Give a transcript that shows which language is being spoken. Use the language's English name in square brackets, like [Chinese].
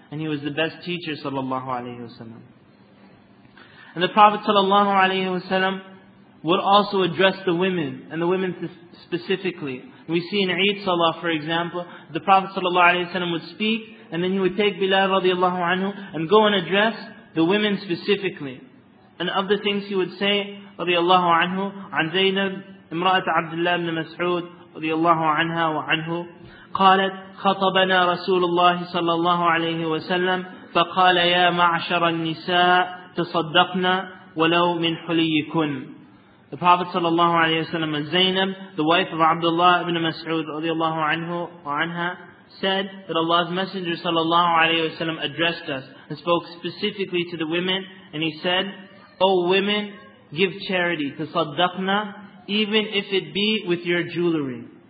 [English] And he was the best teacher ﷺ. And the Prophet ﷺ would also address the women, and the women specifically. We see in Eid Salah, for example, the Prophet ﷺ would speak, and then he would take Bilal radiallahu anhu and go and address the women specifically. And of the things he would say, [Arabic] رضي الله عنه عن زينب امرأة عبد الله بن مسعود رضي الله عنها وعنه قالت خطبنا رسول الله صلى الله عليه وسلم فقال يا معشر النساء تصدقنا ولو من حليكن. [English] The Prophet صلى الله عليه وسلم and Zainab, the wife of Abdullah ibn Mas'ud رضي الله عنه وعنها, said that Allah's Messenger صلى الله عليه وسلم addressed us and spoke specifically to the women, and he said, O women, give charity to صدقنا, even if it be with your jewelry.